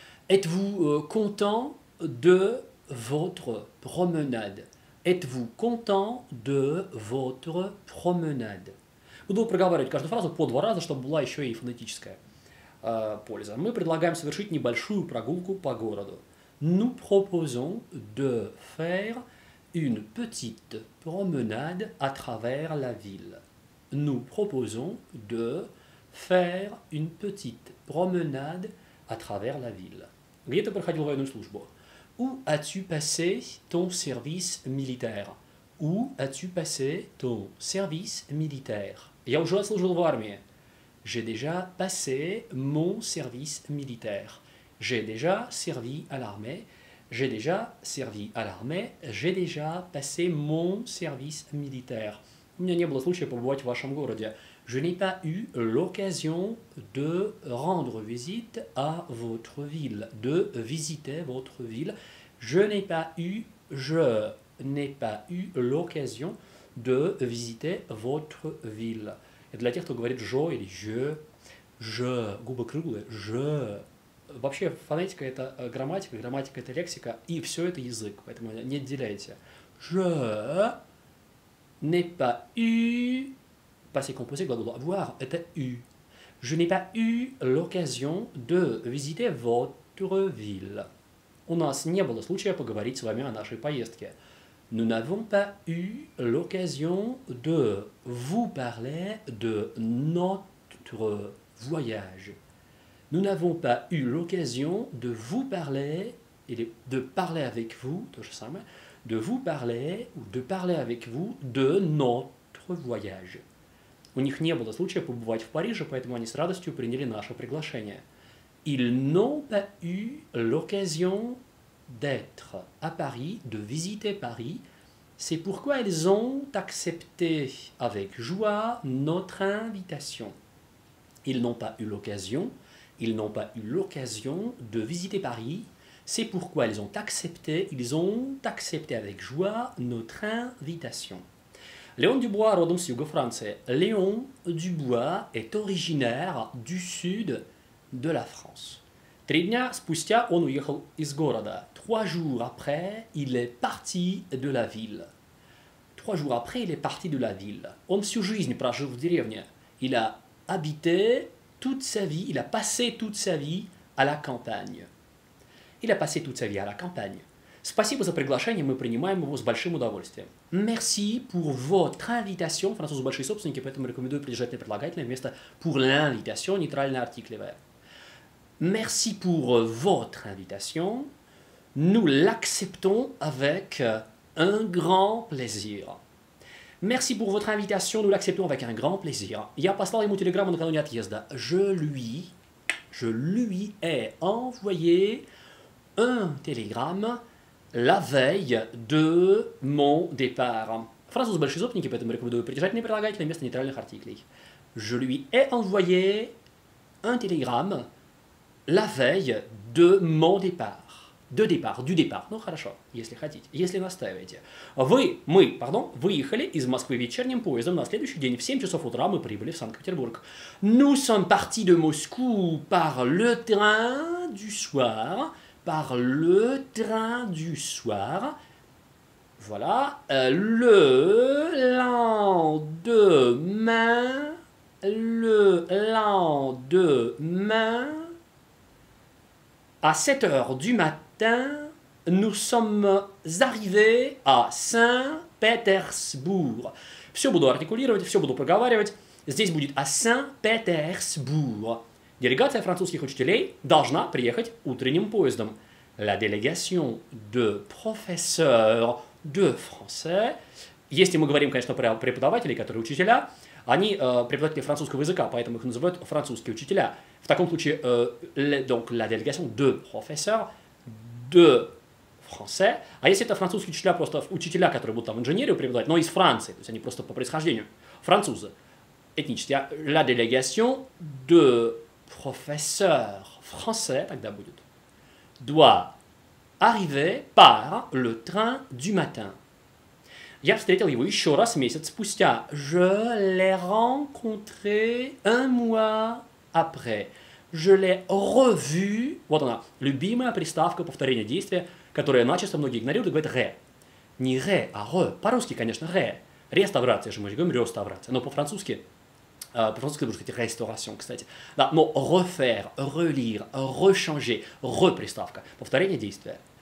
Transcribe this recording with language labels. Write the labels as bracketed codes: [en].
[fr] Êtes-vous content de votre promenade? Êtes-vous content de votre promenade? [ru] Буду проговаривать каждую фразу по два раза, чтобы была еще и фонетическая польза. Мы предлагаем совершить небольшую прогулку по городу. [fr] Nous proposons de faire une petite promenade à travers la ville. Nous proposons de faire une petite promenade à travers la ville. [ru] Где ты проходил военную службу? [fr] Où as-tu passé ton service militaire? Où as-tu passé ton service militaire? [ru] Я уже служил в армии. [fr] J'ai déjà passé mon service militaire. J'ai déjà servi à l'armée. J'ai déjà servi à l'armée, j'ai déjà passé mon service militaire. [ru] У меня не было случая побывать в вашем городе. [fr] Je n'ai pas eu l'occasion de rendre visite à votre ville, de visiter votre ville. Je n'ai pas eu l'occasion de visiter votre ville. Et [ru] для тех, кто говорит «je» или «je», «je», губы круглые, «je». Вообще, фонетика – это грамматика – это лексика, и все это язык, поэтому не отделяйте. [fr] Je n'ai pas eu… Passé composé, [ru] глагол [fr] avoir – [ru] это [fr] eu. Je n'ai pas eu l'occasion de visiter votre ville. [ru] У нас не было случая поговорить с вами о нашей поездке. [fr] Nous n'avons pas eu l'occasion de vous parler de notre voyage. Nous n'avons pas eu l'occasion de vous parler, et de parler avec vous, de vous parler ou de parler avec vous de notre voyage. [ru] У них не было случая побывать в Париже, поэтому они с радостью приняли наше приглашение. [fr] Ils n'ont pas eu l'occasion d'être à Paris, de visiter Paris. C'est pourquoi ils ont accepté avec joie notre invitation. Ils n'ont pas eu l'occasion. Ils n'ont pas eu l'occasion de visiter Paris. C'est pourquoi ils ont accepté avec joie notre invitation. [ru] Léon Dubois, родом с юга Франции. [fr] Léon Dubois est originaire du sud de la France. [ru] Три дня спустя он уехал из города. [fr] Trois jours après, il est parti de la ville. Trois jours après, il est parti de la ville. [ru] Он всю жизнь прожил в деревне. [fr] Il a habité toute sa vie, il a passé toute sa vie à la campagne. Il a passé toute sa vie à la campagne. [ru] Спасибо за приглашение, мы принимаем его с большим удовольствием. [fr] Merci pour votre invitation. [ru] Французы большие собственники, поэтому рекомендую прилежательное прилагательное вместо [fr] pour l'invitation, [ru] нейтральный артикль. [fr] Merci pour votre invitation. Nous l'acceptons avec un grand plaisir. Merci pour votre invitation, nous l'acceptons avec un grand plaisir. [ru] Я послал ему телеграмму накануне отъезда. [fr] Je lui ai envoyé un télégramme la veille de mon départ. [ru] Фраза с большой собственники, поэтому рекомендую притяжательные прилагательные вместо нейтральных артиклей. [fr] Je lui ai envoyé un télégramme la veille de mon départ. de départ, du départ. [ru] Ну хорошо, если хотите, если настаиваете. Выехали из Москвы вечерним поездом. На следующий день в 7 часов утра мы прибыли в Санкт-Петербург. [fr] Nous sommes partis de Moscou par le train du soir. Par le train du soir. Voilà. Le lendemain. Le lendemain. À 7 heures du matin, nous sommes arrivés à Saint-Pétersbourg. [ru] Все буду артикулировать, все буду проговаривать. Здесь будет [fr] «à Saint-Pétersbourg». [ru] Делегация французских учителей должна приехать утренним поездом. [fr] La délégation de professeurs de français. [ru] Если мы говорим, конечно, про преподавателей, которые учителя, они преподаватели французского языка, поэтому их называют французские учителя. В таком случае, [fr] donc, la délégation de professeurs de français. [ru] А если это французские учителя, просто учителя, которые будут там инженерию преподавать, но из Франции, то есть они просто по происхождению французы, этнические. [fr] La délégation de professeurs français, [ru] тогда будет, [fr] doit arriver par le train du matin. [ru] Я встретил его еще раз месяц спустя. [fr] Je l'ai rencontré un mois après. Je l'ai revu. [ru] Вот она, любимая приставка повторения действия, которую начисто многие игнорируют и говорят «ре». Не «ре», а «ре». По-русски, конечно, «ре». Реставрация же, мы же говорим «реставрация». Но по-французски, можно сказать «реставрация», кстати. Да, но «refaire», «relire», «rechanger», «re» приставка, повторение действия.